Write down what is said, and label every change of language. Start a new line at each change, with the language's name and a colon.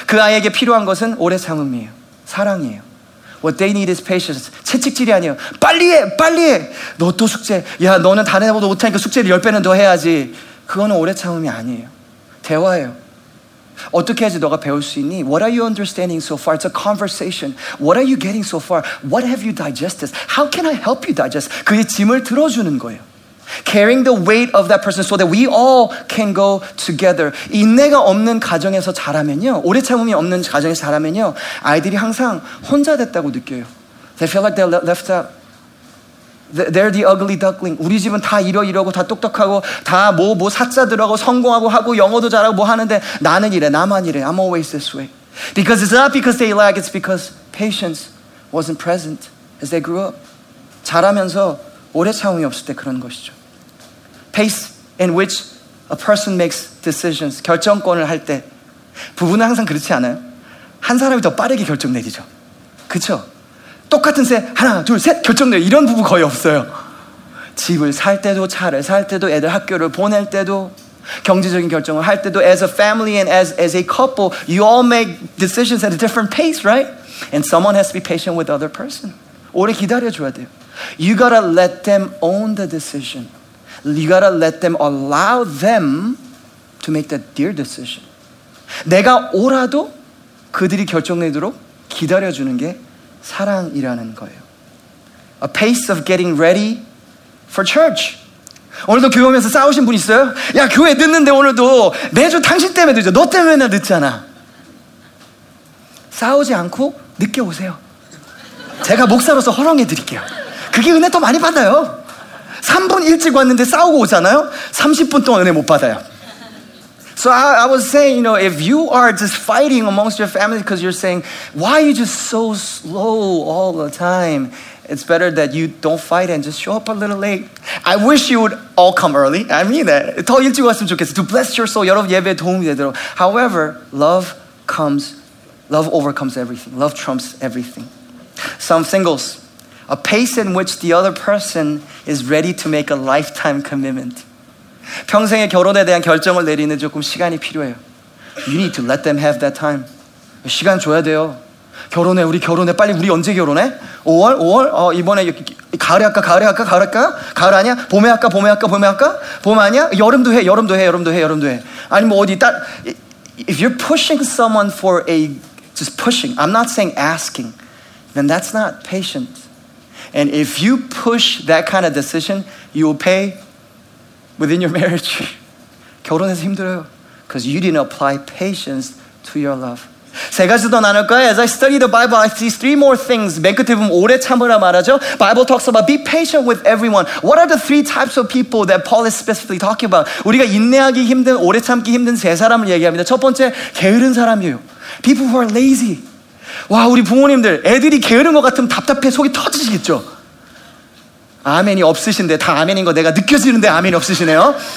Korean: 그 아이에게 필요한 것은 오래 참음이에요. 사랑이에요.
English: What they need is patience.
Korean: 채찍질이 아니에요. 빨리해, 빨리해. 너 또 숙제. 야, 너는 다른 애보다 못하니까 숙제를 10배는 더 해야지. 그거는 오래 참음이 아니에요. 대화예요. 어떻게 해야지 너가 배울 수 있니?
English: What are you understanding so far? It's a conversation. What are you getting so far? What have you digested? How can I help you digest?
Korean: 그게 짐을 들어주는 거예요.
English: Carrying the weight of that person so that we all can go together.
Korean: 인내가 없는 가정에서 자라면요, 오래 참음이 없는 가정에서 자라면요, 아이들이 항상 혼자 됐다고 느껴요.
English: They feel like they're left out. They're the ugly duckling.
Korean: 우리 집은 다 이러이러고 다 똑똑하고 다 뭐 사자 들어가고 성공하고 하고 영어도 잘하고 뭐 하는데 나는 이래, 나만 이래.
English: I'm always this way. Because it's not because they lack, it's because patience wasn't present as they grew up.
Korean: 자라면서 오래 참음이 없을 때 그런 것이죠.
English: Pace in which a person makes decisions,
Korean: 결정권을 할 때 부부는 항상 그렇지 않아요? 한 사람이 더 빠르게 결정 내리죠. 그렇죠? 똑같은 새 하나 둘 셋 결정돼. 이런 부부 거의 없어요. 집을 살 때도 차를 살 때도 애들 학교를 보낼 때도 경제적인 결정을 할 때도
English: as a family and as a couple you all make decisions at a different pace, right? And someone has to be patient with the other person.
Korean: 오래 기다려줘야 돼요.
English: You gotta let them own the decision. You gotta let them allow them to make that their decision.
Korean: 내가 오라도 그들이 결정내도록 기다려주는 게 사랑이라는 거예요.
English: A pace of getting ready for church.
Korean: 오늘도 교회 오면서 싸우신 분 있어요? 야, 교회 늦는데 오늘도 매주 당신 때문에 늦어. 너 때문에 맨날 늦잖아. 싸우지 않고 늦게 오세요. 제가 목사로서 허락해 드릴게요. 그게 은혜 더 많이 받아요. 3분 일찍 왔는데 싸우고 오잖아요. 30분 동안 은혜 못 받아요.
English: So I was saying, you know, if you are just fighting amongst your family because you're saying, why are you just so slow all the time? It's better that you don't fight and just show up a little late. I wish you would all come early. I mean that.
Korean: 더 일찍 왔으면 좋겠어.
English: To bless your soul,
Korean: 여러분 예배에 도움이 되도록.
English: However, love overcomes everything. Love trumps everything. Some singles, a pace in which the other person is ready to make a lifetime commitment.
Korean: 평생의 결혼에 대한 결정을 내리는 조금 시간이 필요해요.
English: You need to let them have that time.
Korean: 시간 줘야 돼요. 결혼해, 우리 결혼해. 빨리, 우리 언제 결혼해? 5월? 5월? 이번에 가을에 할까? 가을에 할까? 가을 할까? 가을 아니야? 봄에 할까? 봄에 할까? 봄에 할까? 봄 아니야? 여름도 해, 여름도 해, 여름도 해, 여름도 해. 아니 뭐 어디 딸?
English: If you're pushing someone for a, just pushing, I'm not saying asking, then that's not patient. And if you push that kind of decision, you will pay within your marriage.
Korean: 결혼해서 힘들어요.
English: Because you didn't apply patience to your love.
Korean: 세 가지 더 나눌까요?
English: As I study the Bible, I see three more things.
Korean: 맨 끝에 보면 오래 참으라 말하죠.
English: Bible talks about be patient with everyone. What are the three types of people that Paul is specifically talking about?
Korean: 우리가 인내하기 힘든, 오래 참기 힘든 세 사람을 얘기합니다. 첫 번째, 게으른 사람이에요.
English: People who are lazy.
Korean: 와, 우리 부모님들, 애들이 게으른 것 같으면 답답해 속이 터지시겠죠? 아멘이 없으신데, 다 아멘인 거 내가 느껴지는데 아멘이 없으시네요.